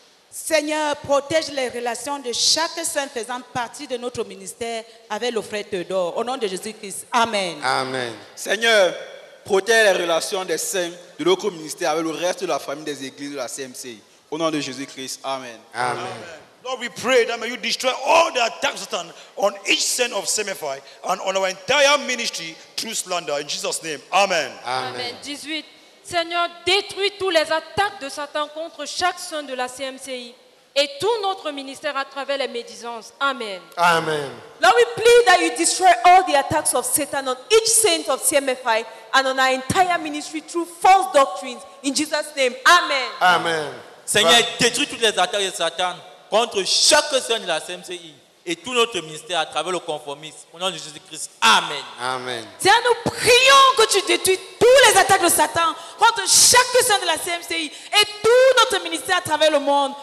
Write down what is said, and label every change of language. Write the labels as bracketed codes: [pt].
[fr] Seigneur, protège les relations de chaque saint faisant partie de notre ministère avec le frère Théodore. Au nom de Jésus-Christ. Amen. Amen. Seigneur, protège les relations des saints de notre ministère avec le reste de la famille des églises de la CMC. Au nom de Jésus-Christ. Amen. Amen. [en] Lord, we pray that may you destroy all the attacks of Satan on each saint of Semify and on our entire ministry through slander. In Jesus' name. Amen. Amen. [fr] 18. Seigneur, détruis toutes les attaques de Satan contre chaque saint de la CMCI et tout notre ministère à travers les médisances. Amen. Amen. [en] Lord, we plead that you destroy all the attacks of Satan on each saint of CMFI and on our entire ministry through false doctrines. In Jesus' name. Amen. Amen. [fr] Seigneur, détruis toutes les attaques de Satan contre chaque saint de la CMCI et tout notre ministère à travers le conformisme. Au nom de Jésus-Christ. Amen. Amen. Seigneur, nous prions que tu détruis toutes les attaques de Satan contre chaque saint de la CMCI et tout notre ministère à travers le monde.